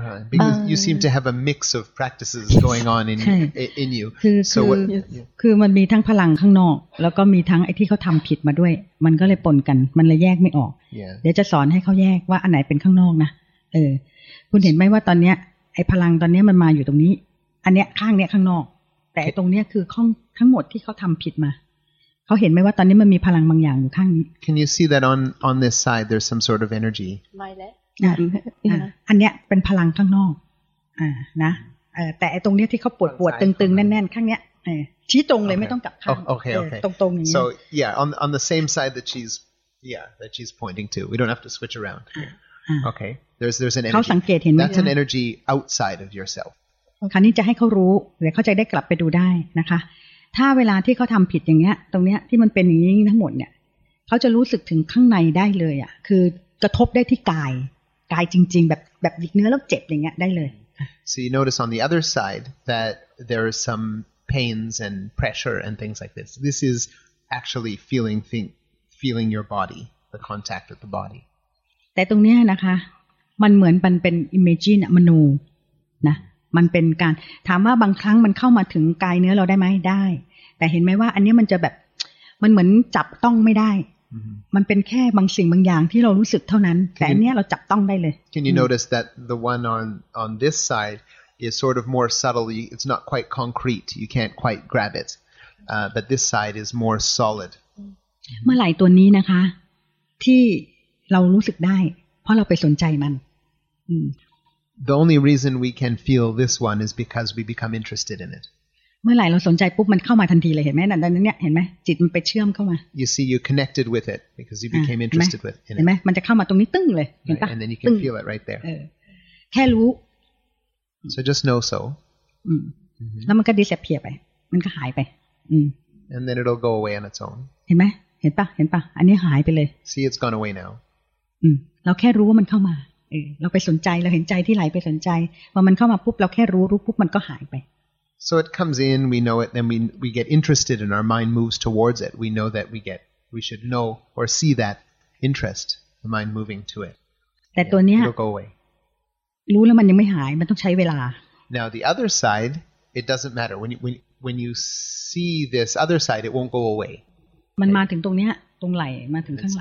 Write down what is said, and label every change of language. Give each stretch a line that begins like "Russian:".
English: because you seem to have a mix of practices going on in you. So what?
Thai: คือมันมีทั้งพลังข้างนอกแล้วก็มีทั้งไอ้ที่เขาทำผิดมาด้วยมันก็เลยปนกันมันเลยแยกไม่ออกเดี๋ยวจะสอนให้เขาแยกว่าอันไหนเป็นข้างนอกนะคุณเห็นไหมว่าตอนเนี้ยไอ้พลังตอนเนี้ยมันมาอยู่ตรงนี้อันเนี้ยข้างเนี้ยข้างนอกแต่ตรงเนี้ยคือข้องทั้งหมดที่เขาทำผิดมาเขาเห็นไหมว่าตอนนี้มันมีพลังบางอย่างอยู่ข้างนี้
English: Can you see that on this side there's some sort of energy My leg
Thai: อันเนี้ยเป็นพลังข้างนอกนะแต่ตรงเนี้ยที่เขาปวดปวดตึงๆแน่นๆข้างเนี้ยชี้ตรงเลยไม่ต้องกลับข้างตรงๆอย่างนี้
English: So yeah on the same side that she's pointing to we don't have to switch around okay there's an energy
Thai: เขาสังเกตเห็นไหม
English: That's an energy outside of yourself
Thai: คราวนี้จะให้เขารู้หรือเขาจะได้กลับไปดูได้นะคะถ้าเวลาที่เขาทำผิดอย่างเงี้ยตรงเนี้ยที่มันเป็นอย่างนี้ทั้งหมดเนี่ยเขาจะรู้สึกถึงข้างในได้เลยอ่ะคือกระทบได้ที่กายจริงๆแบบหยิกเนื้อแล้วเจ็บอย่างเงี้ยได้เลย
English: So you notice on the other side that there are some pains and pressure and things like this. This is actually feeling your body, the contact with the body.
Thai: แต่ตรงเนี้ยนะคะมันเหมือนมันเป็น imagine มโนนะมันเป็นการถามว่าบางครั้งมันเข้ามาถึงกายเนื้อเราได้ไหมได้แต่เห็นไหมว่าอันนี้มันจะแบบมันเหมือนจับต้องไม่ได้มันเป็นแค่บางสิ่งบางอย่างที่เรารู้สึกเท่านั้นแต่อันเนี้ยเราจับต้องได้เลย
English: Can you notice that the one on this side is sort of more subtle it's not quite concrete you can't quite grab it but this side is more solid
Thai: เมื่อไหร่ตัวนี้นะคะที่เรารู้สึกได้เพราะเราไปสนใจมัน
English: The only reason we can feel this one is because we become interested in it.
Thai: เมื่อไหร่เราสนใจปุ๊บมันเข้ามาทันทีเลยเห็นไหมนั่นตอนนั้นเนี่ยเห็นไหมจิตมันไปเชื่อมเข้ามา
English: You see, you connected with it because you became interested with it.
Thai: เห็นไหมมันจะเข้ามาตรงนี้ตึ้งเลยเห็นปะ
English: And then you can feel it right there.
Thai: แค่รู้
English: So just know so.
Thai: แล้วมันก็ดิสแพร์ไปมันก็หายไป
English: And then it'll go away on its own.
Thai: เห็นไหมเห็นปะอันนี้หายไปเลย
English: See, it's gone away now.
Thai: เราแค่รู้ว่ามันเข้ามาเราไปสนใจเราเห็นใจที่ไหลไปสนใจพอมันเข้ามาปุ๊บเราแค่รู้ปุ๊บมันก็หายไป
English: So it comes in we know it then we get interested and our mind moves towards it we know that we should know or see that interest the mind moving to it
Thai: แต่ตัวเนี้ย
English: It'll go away
Thai: รู้แล้วมันยังไม่หายมันต้องใช้เวลา
English: Now the other side it doesn't matter when you see this other side it won't go away
Thai: มันมาถึงตรงเนี้ยตรงไหล่มาถึงข้างหล